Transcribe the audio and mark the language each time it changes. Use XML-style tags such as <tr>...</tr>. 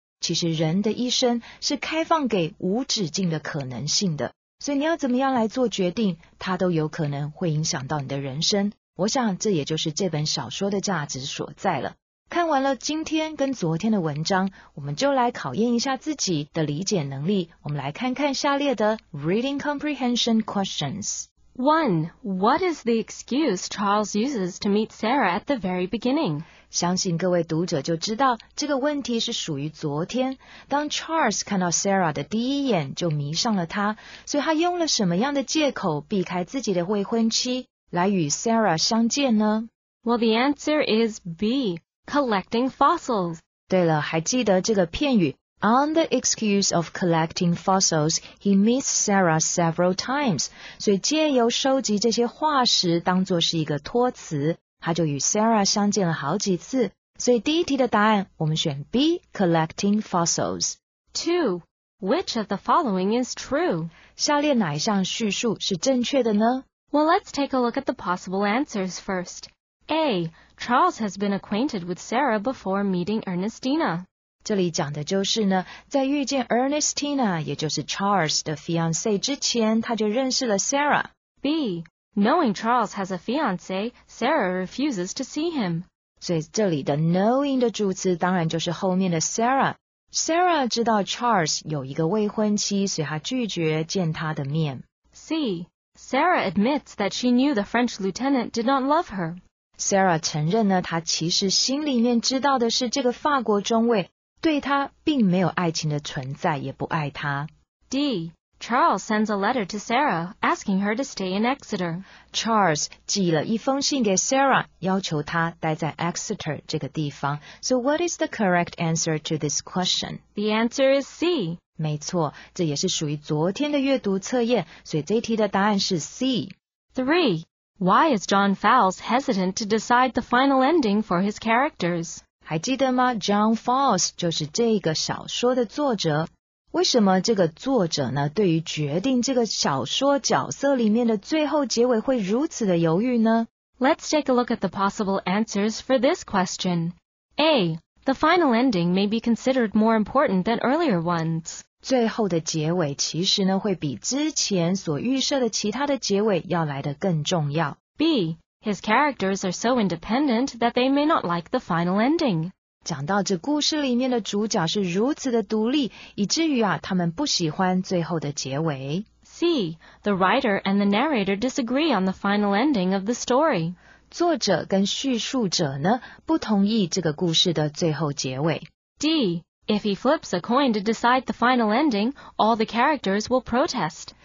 <zh>其实人的一生是开放给无止境的可能性的，所以你要怎么样来做决定，它都有可能会影响到你的人生。我想这也就是这本小说的价值所在了。看完了今天跟昨天的文章，我们就来考验一下自己的理解能力。我们来看看下列的</zh> <en>reading comprehension questions. 1. What is the excuse Charles uses to meet Sarah at the very beginning?</en> <zh>相信各位读者就知道这个问题是属于昨天，当 Charles 看到 Sarah 的第一眼就迷上了她，所以他用了什么样的借口避开自己的未婚妻来与 Sarah 相见呢？</zh> <en>Well, the answer is B, collecting fossils.</en> <zh>对了，还记得这个片语</zh> <en>On the excuse of collecting fossils, he meets Sarah several times.</en> <zh>所以借由收集这些化石当作是一个托词，他就与 Sarah 相见了好几次，所以第一题的答案我们选 B,</zh> <en>collecting fossils. 2. Which of the following is true?</en> <zh>下列哪一项叙述是正确的呢？</zh> <en>Well, let's take a look at the possible answers first. A. Charles has been acquainted with Sarah before meeting Ernestina.</en> <zh>这里讲的就是呢，在遇见 Ernestina, 也就是 Charles 的 fiancée 之前，他就认识了 Sarah.</zh> <en>B. Knowing Charles has a fiancé, Sarah refuses to see him.</en> <zh>所以这里的 knowing 的助词当然就是后面的 Sarah. Sarah 知道 Charles 有一个未婚妻，所以她拒绝见他的面。</zh> <en>C. Sarah admits that she knew the French lieutenant did not love her.</en> <zh>Sarah 承认呢，她其实心里面知道的是这个法国中尉对她并没有爱情的存在，也不爱她。</zh> <en>D. Charles sends a letter to Sarah, asking her to stay in Exeter.</en> <zh>Charles 寄了一封信给 Sarah, 要求她待在 Exeter 这个地方。</zh> <en>So what is the correct answer to this question? The answer is C.</en> <zh>没错，这也是属于昨天的阅读测验，所以这一题的答案是 C.</zh> <en>3. Why is John Fowles hesitant to decide the final ending for his characters?</en> <zh>还记得吗？ John Fowles 就是这个小说的作者。为什么这个作者呢，对于决定这个小说角色里面的最后结尾会如此的犹豫呢？</zh> <en>Let's take a look at the possible answers for this question. A. The final ending may be considered more important than earlier ones.</en> <zh>最后的结尾其实呢，会比之前所预设的其他的结尾要来得更重要。</zh> <en>B. His characters are so independent that they may not like the final ending.</en> <zh>讲到这故事里面的主角是如此的独立，以至于啊，他们不喜欢最后的结尾。</zh> <en>C. The writer and the narrator disagree on the final ending of the story.</en> <zh>作者跟叙述者呢，不同意这个故事的最后结尾。</zh> <en>D. If he flips a coin to decide the final ending, all the characters will protest.</en>